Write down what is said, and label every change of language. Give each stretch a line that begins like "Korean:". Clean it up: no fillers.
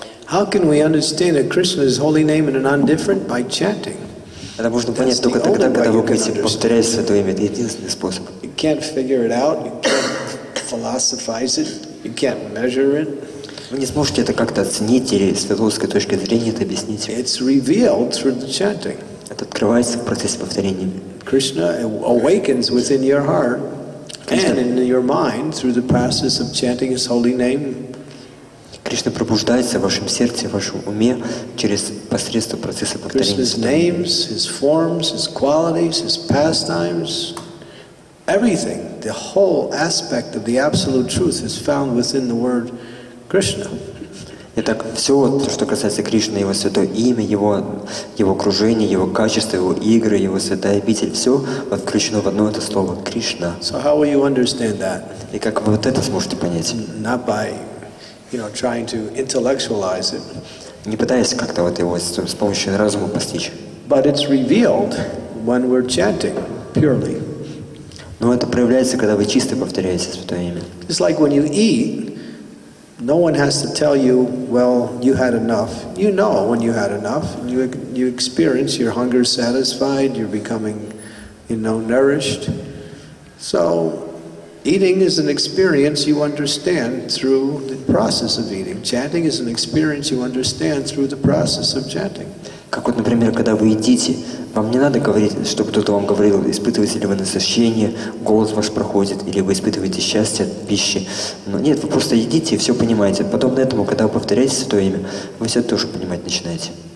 English: How can we understand that Krishna's holy name and an undifferent by chanting?
Russian: Это можно понять только тогда, когда вы будете повторять святое имя. Это единственный способ.
English: You can't figure it out. You can't philosophize it. You can't measure it.
Russian: Вы не сможете это как-то оценить или с философской точки зрения это объяснить.
English: It's revealed through the chanting.
Russian: Это открывается в процессе повторения.
English: Krishna awakens within your heart and in your mind through the process of chanting His holy name.
Russian: Кришна пробуждается в вашем сердце, в вашем уме через посредством процесса повторения.
English: Krishna's names, His forms, His qualities, His pastimes, everything, the whole aspect of the absolute truth is found within the word Krishna.
Russian: Итак, все, что касается Кришны, Его святое имя, Его окружение, Его качество, Его игры, Его святая обитель, все включено в одно это слово – Кришна.
English: So how will you understand that?
Russian: И как вы вот это сможете понять?
English: Not by, you know, trying to intellectualize it.
Russian: не пытаясь как-то вот его с помощью разума постичь.
English: But it's revealed when we're chanting purely.
Russian: Но это проявляется, когда вы чисто повторяете Святое Имя.
English: It's like when you eat, no one has to tell you, well, you had enough. You know when you had enough. You experience your hunger satisfied, you're becoming, you know, nourished. So eating is an experience you understand through the process of eating. Chanting is an experience you understand through the process of chanting.
Russian: Как вот, например, когда вы едите, вам не надо говорить, чтобы кто-то вам говорил, испытываете ли вы насыщение, голод ваш проходит, или вы испытываете счастье от пищи. Но нет, вы просто едите и все понимаете. Подобно этому, когда вы повторяете Святое Имя, вы все тоже понимать начинаете.